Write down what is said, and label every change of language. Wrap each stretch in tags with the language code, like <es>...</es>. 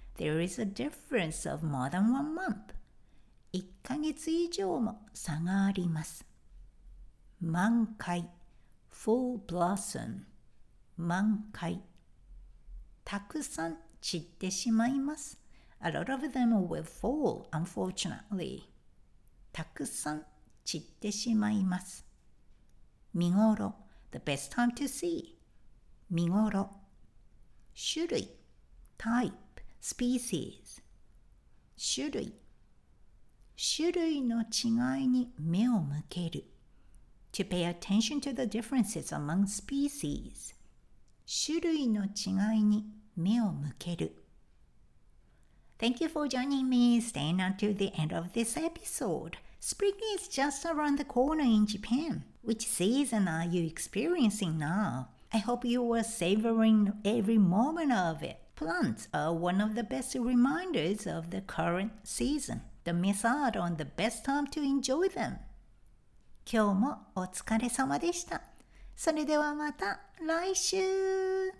<en>There is a difference of more than 1 month。</en> <ja>1ヶ月以上も差があります。満開、</ja> <en>full blossom、</en> <ja>満開、たくさん散ってしまいます。</ja> <en>A lot of them will fall, unfortunately。</en> <ja>たくさん散ってしまいます。見ごろ、</ja> <en>the best time to see.</en> <ja>見ごろ。種類</ja> <en>type, species.</en> <ja>種類。種類の違いに目を向ける。</ja> <en>To pay attention to the differences among species.</en> <ja>種類の違いに目を向ける。</ja> <en>Thank you for joining me. Staying until the end of this episode. Spring is just around the corner in Japan. Which season are you experiencing now? I hope you are savoring every moment of it. Plants are one of the best reminders of the current season. Don't miss out on the best time to enjoy them.</en> <ja>今日もお疲れ様でした。それではまた来週。</ja>